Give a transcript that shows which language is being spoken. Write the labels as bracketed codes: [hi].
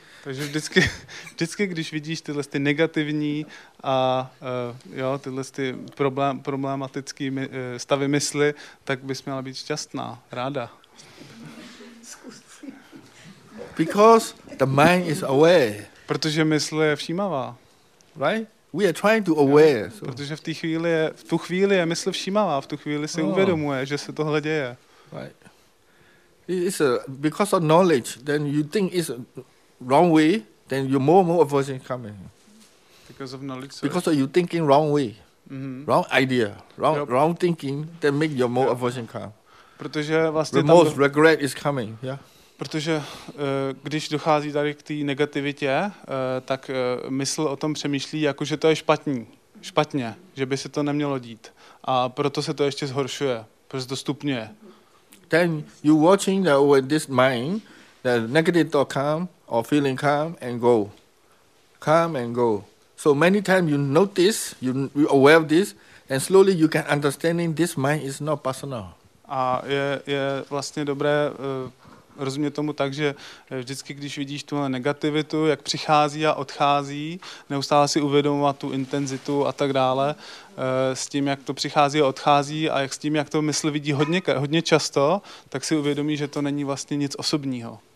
[cs] Takže vždycky, když vidíš tyhle ty negativní a jo, tyhle ty problematické stavy mysli, tak bys měla být šťastná, ráda. [en] Because the mind is aware. [cs] Protože mysl je všímavá. [en] Right? We are trying to aware. So. [cs] Protože v tu chvíli je mysl všímavá, v tu chvíli si uvědomuje, že se tohle děje. [en] Right. It's because of knowledge, then you think it's... wrong way, then you more aversion coming. Because of knowledge. Because you thinking wrong way, mm-hmm. Wrong idea, wrong yep. Wrong thinking, then make your more aversion come. [cs] Protože vlastně [en] remorse, regret is coming. Yeah. [cs] Protože když dochází tady k té negativitě, tak mysl o tom přemýšlí, jako že to je špatně, že by se to nemělo dít, a proto se to ještě zhoršuje, protože to stupňuje. [en] Then you watching that with this mind, the negative thought come. Or feeling calm and go. Calm and go. So many times you notice, you aware of this, and slowly you can understand this mind is not personal. [cs] A je vlastně dobré rozumět tomu tak, že vždycky, když vidíš tuhle negativitu, jak přichází a odchází, neustále si uvědomovat tu intenzitu a tak dále, s tím, jak to přichází a odchází a jak s tím, jak to mysl vidí hodně často, tak si uvědomí, že to není vlastně nic osobního.